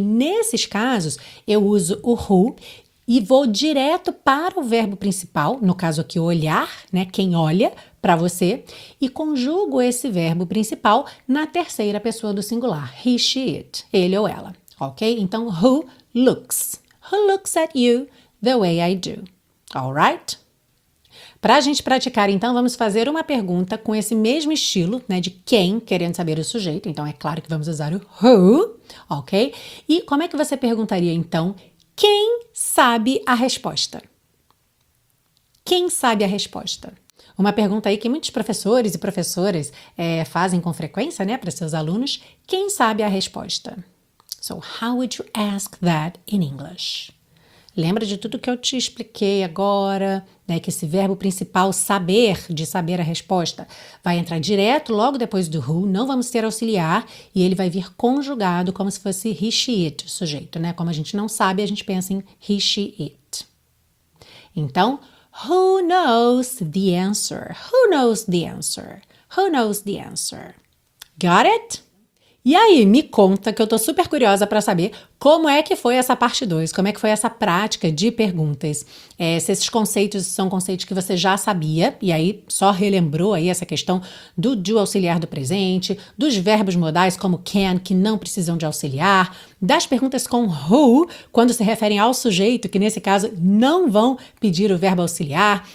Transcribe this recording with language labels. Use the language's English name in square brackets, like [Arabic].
[Portuguese] Nesses casos, eu uso o who e vou direto para o verbo principal, no caso aqui, olhar, né? Quem olha para você, e conjugo esse verbo principal na terceira pessoa do singular, he, she, it, ele ou ela, ok? Então, [English] who looks at you the way I do. All right? [Portuguese] Para a gente praticar, então, vamos fazer uma pergunta com esse mesmo estilo, né, de quem, querendo saber o sujeito. Então, é claro que vamos usar o who, ok? E como é que você perguntaria, então, quem sabe a resposta? Quem sabe a resposta? Uma pergunta aí que muitos professores e professoras fazem com frequência, né, para seus alunos. Quem sabe a resposta? [English] So, how would you ask that in English? [Portuguese] Lembra de tudo que eu te expliquei agora, né? Que esse verbo principal, saber, de saber a resposta, vai entrar direto logo depois do who, não vamos ter auxiliar, e ele vai vir conjugado como se fosse he, she, it, sujeito, né? Como a gente não sabe, a gente pensa em he, she, it. Então, [English] who knows the answer? Who knows the answer? Who knows the answer? Got it? [Portuguese] E aí, me conta que eu tô super curiosa para saber como é que foi essa parte 2, como é que foi essa prática de perguntas. Se esses conceitos são conceitos que você já sabia, e aí só relembrou aí essa questão do do auxiliar do presente, dos verbos modais como can, que não precisam de auxiliar, das perguntas com who, quando se referem ao sujeito, que nesse caso não vão pedir o verbo auxiliar.